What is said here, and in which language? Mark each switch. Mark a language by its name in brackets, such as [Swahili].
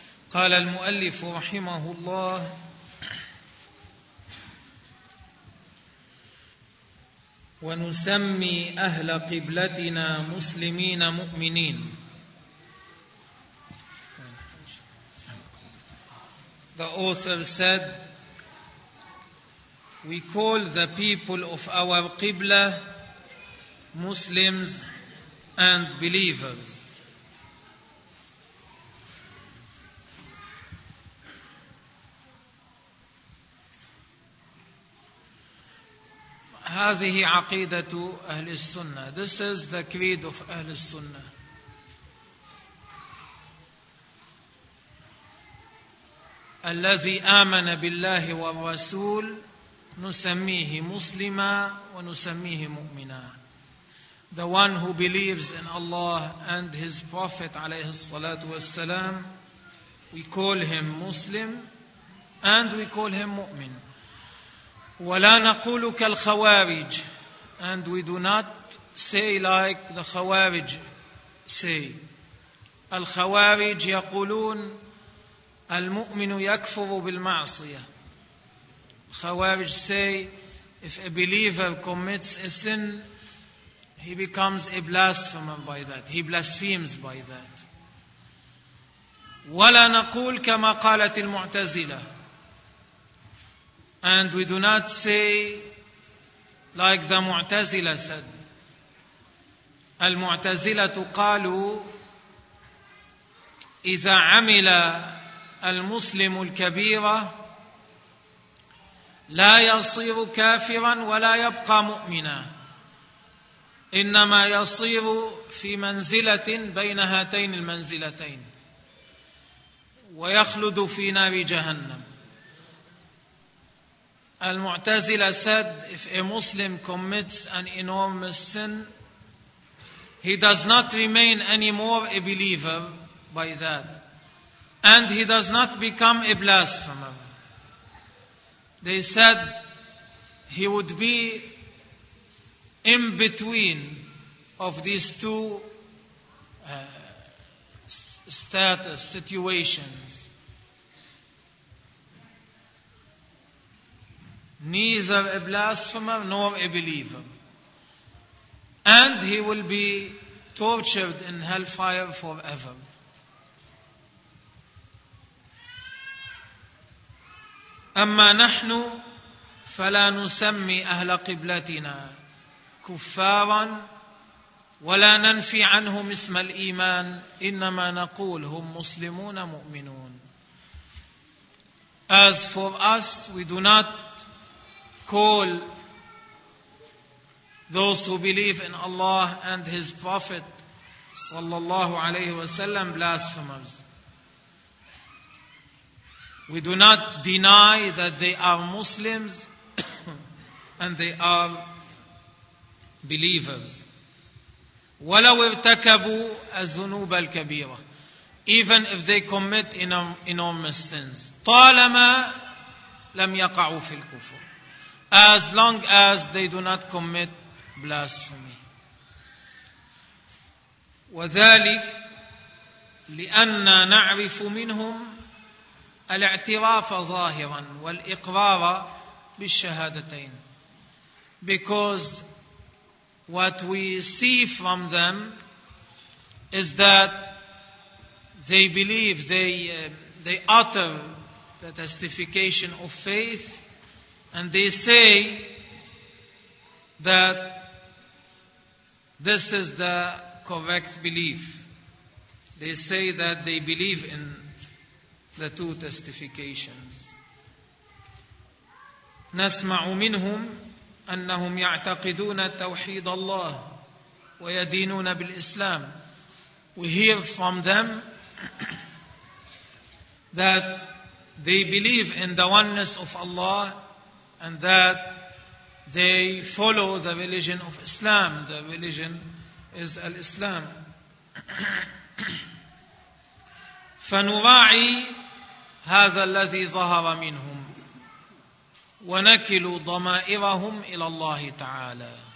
[Arabic] قال المؤلف رحمه الله: ونسمي أهل قبلتنا مسلمين مؤمنين. [English] The author said, we call the people of our Qibla Muslims and believers. [Arabic] هذه عقيدة أهل السنة. [English] This is the creed of أهل السنة. [Arabic] الذي آمن بالله والرسول نسميه مسلما ونسميه مؤمنا. [English] The one who believes in Allah and his prophet [Arabic] عليه الصلاة والسلام, [English] we call him Muslim and we call him مؤمن. [Arabic] ولا نقول كالخوارج, [English] and we do not say like the خوارج say. [Arabic] الخوارج يقولون المؤمن يكفر بالمعصية. [English] خوارج say if a believer commits a sin, he becomes a blasphemer by that. He blasphemes by that. [Arabic] ولا نقول كما قالت المعتزلة. [English] And we do not say like the Mu'tazila said. [Arabic] المعتزلة قالوا إذا عمل المسلم الكبيرة لا يصير كافرا ولا يبقى مؤمنا, إنما يصير في منزلة بين هاتين المنزلتين ويخلد في نار جهنم. [English] المعتزلة said, if a Muslim commits an enormous sin, he does not remain anymore a believer by that. And he does not become a blasphemer. They said, he would be in between of these two status, situations. Neither a blasphemer nor a believer. And he will be tortured in hellfire forever. [Arabic] أما نحن فلا نسمي أهل قبلتنا كفارا ولا ننفي عنهم اسم الإيمان, إنما نقول هم مسلمون مؤمنون. [English] As for us, we do not call those who believe in Allah and His Prophet sallallahu alayhi wa sallam blasphemers. We do not deny that they are Muslims and they are believers. [Arabic] وَلَوْ ارْتَكَبُوا الذُّنُوبَ الْكَبِيرَةِ, [English] even if they commit enormous sins. [Arabic] طَالَمَا لَمْ يَقَعُوا فِي الْكُفُرِ, [English] as long as they do not commit blasphemy. [Arabic] وذلك لأن نعرف منهم الاعتراف ظاهرا والإقرار بالشهادتين. [English] Because what we see from them is that they believe, they utter the testification of faith, and they say that this is the correct belief. They say that they believe in the two testifications. [Arabic] نسمع منهم أنهم يعتقدون توحيد الله ويدينون بالإسلام. [English] We hear from them that they believe in the oneness of Allah and that they follow the religion of Islam. The religion is al-Islam. [Arabic] فنراعي هذا الذي ظهر منهم ونكل ضمائرهم إلى الله تعالى.